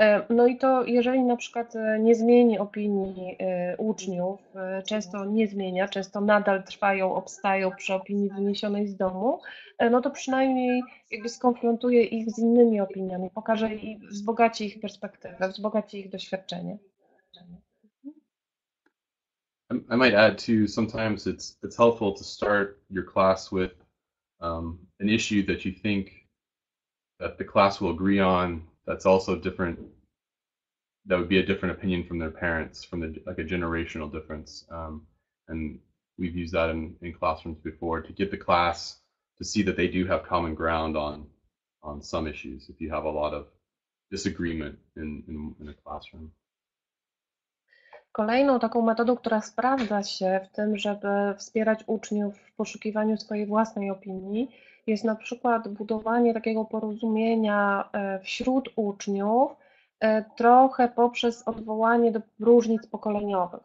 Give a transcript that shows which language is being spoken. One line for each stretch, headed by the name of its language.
Polish: No i to, jeżeli na przykład nie zmieni opinii uczniów, często nie zmienia, często nadal trwają, obstają przy opinii wyniesionej z domu, no to przynajmniej jakby skonfrontuje ich z innymi opiniami, pokaże i wzbogaci ich perspektywę, wzbogaci ich doświadczenie.
English: I might add too, sometimes it's helpful to start your class with an issue that you think that the class will agree on. That's also different, that would be a different opinion from their parents, from the like a generational difference. And we've used that in classrooms before to get the class to see that they do have common ground on some issues if you have a lot of disagreement in a classroom.
Polish: Kolejną taką metodą, która sprawdza się w tym, żeby wspierać uczniów w poszukiwaniu swojej własnej opinii, jest na przykład budowanie takiego porozumienia wśród uczniów trochę poprzez odwołanie do różnic pokoleniowych.